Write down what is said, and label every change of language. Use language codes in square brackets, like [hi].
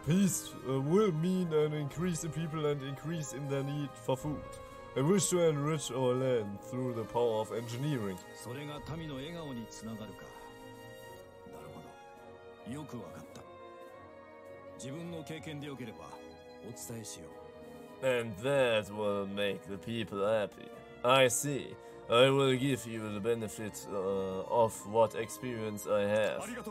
[en] Peace will mean an increase in people and increase in their need for food. I wish to enrich our land through the power of engineering. [ja] それが民の笑顔につながるか。なるほど。よくわかった。自分の経験でよければお伝えしよう。 [en] And that will make the people happy. I see. I will give you the benefit of what experience I have.